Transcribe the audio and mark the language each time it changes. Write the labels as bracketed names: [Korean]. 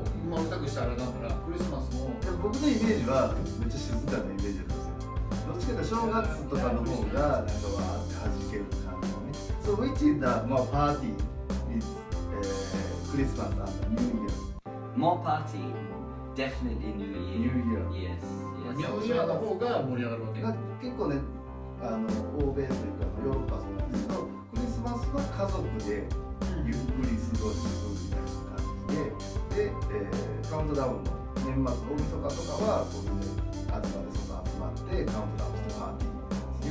[Japanese] 全くしてあれだからクリスマスも僕のイメージはめっちゃ静かなイメージなんですよ。どっちかというと正月とかの方がなんかわーって弾ける感じね。 [English] So which is the more party is Christmas and New Year? More party, definitely New Year. New Year. Yes. [Japanese] New Year の方が盛り上がるわけ。結構ね、欧米というかヨーロッパそうなんですけど、クリスマスは家族でゆっくり過ごすみたいな感じで。で、カウントダウンの年末大晦日とかはこういうね、集まりそこ集まってカウントダウンしてパーティー